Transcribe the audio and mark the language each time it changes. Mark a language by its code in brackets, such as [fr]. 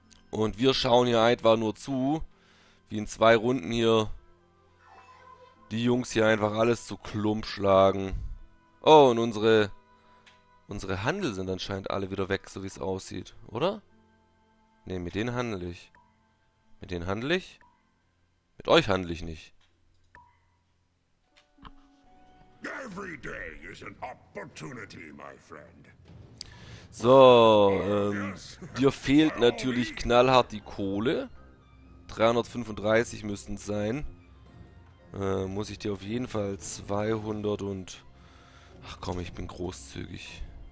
[de] Und wir schauen hier einfach nur zu, wie in zwei Runden hier die Jungs hier einfach alles zu Klump schlagen. Oh, und unsere Handel sind anscheinend alle wieder weg, so wie es aussieht, oder? Ne, mit denen handel ich. Mit denen handel ich? Mit euch handel ich nicht. [en] Every day is an opportunity, my friend. [de] So, dir fehlt natürlich knallhart die Kohle. 335 müssten es sein. Muss ich dir auf jeden Fall 200 und... Ach komm, ich bin großzügig.